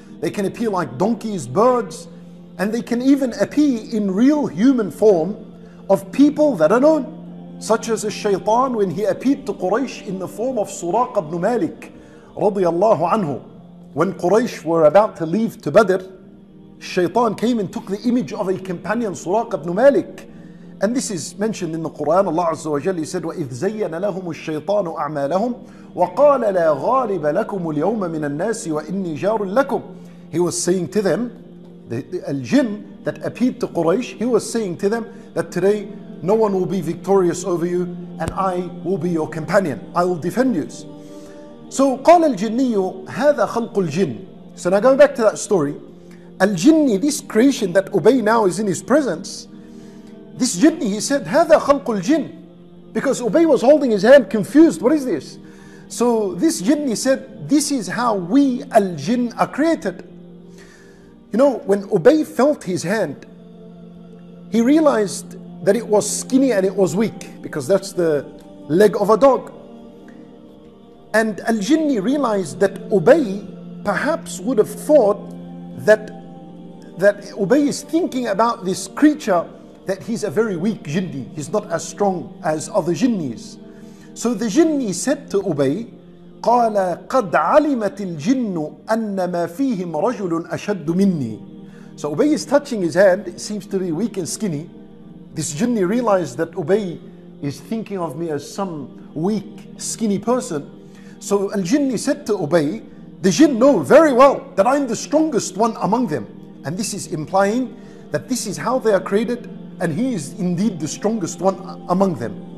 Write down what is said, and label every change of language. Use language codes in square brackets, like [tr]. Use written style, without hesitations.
[en] They can appear like donkeys, birds, and they can even appear in real human form of people that are known, such as a shaytan when he appeared to Quraysh in the form of Suraqa ibn Malik radiallahu anhu. When Quraysh were about to leave to Badr, shaytan came and took the image of a companion, Suraqa ibn Malik. And this is mentioned in the Quran. Allah Azza wa Jalla said, [ar] وَإِذْ زَيَّنَ لَهُمُ الشَّيْطَانُ أَعْمَالَهُمْ وَقَالَ لَا غَالِبَ لَكُمُ الْيَوْمَ مِنَ النَّاسِ وَإِنِّي جَارٌ لَكُمْ. [en] He was saying to them, the al-jinn that appeared to Quraysh, he was saying to them that today no one will be victorious over you and I will be your companion. I will defend you. So [ar] قَالَ الْجِنِّيُّ هَذَا خَلْقُ الْجِنِّ. [en] So now going back to that story, al-jinni, this creation that Ubay now is in his presence, this jinn, he said, [ar] هَذَا خَلْقُ الْجِنِ. [en] Because Ubay was holding his hand confused. What is this? So this jinn said, this is how we al-jinn are created. You know, when Ubay felt his hand, he realized that it was skinny and it was weak, because that's the leg of a dog. And al-jinn realized that Ubay perhaps would have thought that Ubay is thinking about this creature that he's a very weak jinni, he's not as strong as other jinnis. So the jinni said to Ubay, [ar] قَالَ قَدْ عَلِمَتِ الْجِنُّ أَنَّ مَا فِيهِمْ رَجُلٌ أَشَدُّ مِنِّي. [en] So Ubay is touching his hand, it seems to be weak and skinny. This jinni realized that Ubay is thinking of me as some weak, skinny person. So al-jinni said to Ubay, the jinn know very well that I'm the strongest one among them. And this is implying that this is how they are created, and he is indeed the strongest one among them.